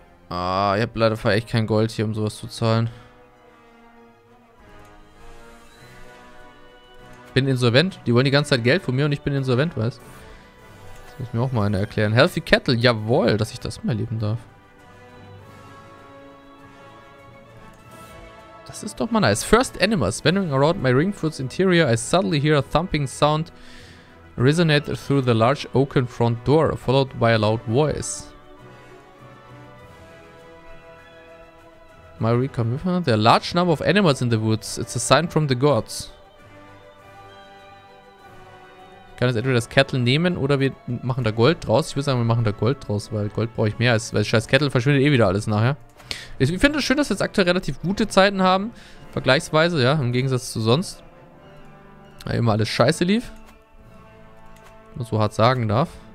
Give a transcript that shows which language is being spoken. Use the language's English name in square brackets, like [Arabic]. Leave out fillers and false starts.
[German] Ah, ich habe leider echt kein Gold hier, um sowas zu zahlen. Bin insolvent. Die wollen die ganze Zeit Geld von mir und ich bin insolvent, weißt du? Das muss mir auch mal einer erklären. Healthy Cattle, jawohl, dass ich das mal erleben darf. Das ist doch mal nice. [English] First Animals, wandering around my ringfoot's interior, I suddenly hear a thumping sound resonate through the large oaken front door, followed by a loud voice. My recon, there are large number of animals in the woods. It's a sign from the gods. [German] Ich kann jetzt entweder das Kettle nehmen oder wir machen da Gold draus. Ich würde sagen, wir machen da Gold draus, weil Gold brauche ich mehr. Weil scheiß Kettle verschwindet eh wieder alles nachher. Ich finde es schön, dass wir jetzt aktuell relativ gute Zeiten haben. Vergleichsweise, ja, im Gegensatz zu sonst. Weil immer alles scheiße lief. Wenn man so hart sagen darf.